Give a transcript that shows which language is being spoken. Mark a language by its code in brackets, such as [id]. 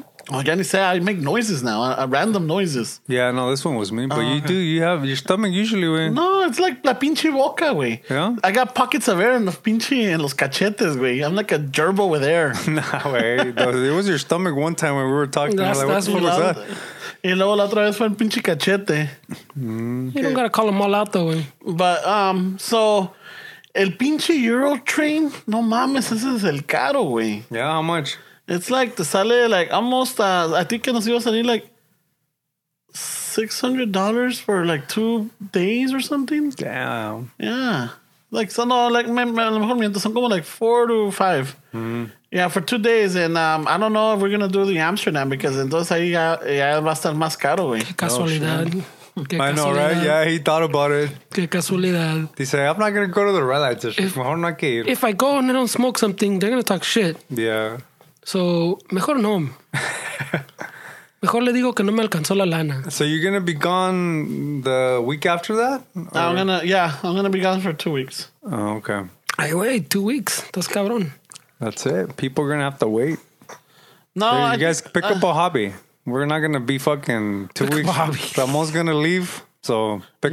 [en] well, again, you say I make noises now, random noises. Yeah, no, this one was me, but you do, you have your stomach usually, güey. [es] No, it's like la pinche boca, güey. [en] Yeah? I got pockets of air in the pinche, [es] en los cachetes, [en] güey. I'm like a gerbil with air. [es] Nah, güey. [en] It was your stomach one time when we were talking. That's, like, what the fuck was that? [es] Y luego la otra vez fue el pinche cachete. [en] You don't gotta call them all out, though, güey. [es] But, el pinche Euro train, no mames, ese es el caro, güey. [en] Yeah, how much? It's like, [es] te sale, [en] like, almost, I think it was going to sell, like, $600 for, like, 2 days or something. Damn. Yeah. [es] Like, so, no, like, a lo mejor mientras son como, like, 4 to 5. Mm-hmm. [en] Yeah, for 2 days. And I don't know if we're going to do the Amsterdam, because [es] entonces ahí ya va a estar más caro, [en] güey. [es] Qué casualidad. [en] I know, right? Yeah, he thought about it. [es] Qué casualidad. [en] He said, I'm not going to go to the red light district. If I go and I don't smoke something, they're going to talk shit. Yeah. [es] So, mejor no. Mejor le digo que no me alcanzó la lana. [en] So, you're going to be gone the week after that? I'm going to be gone for 2 weeks. Oh, okay. Ay, wait, 2 weeks. [es] Estás cabrón. [en] That's it. People are going to have to wait. No. So you guys pick up a hobby. We're not going to be fucking 2 weeks. Ramón's going to leave. So, pick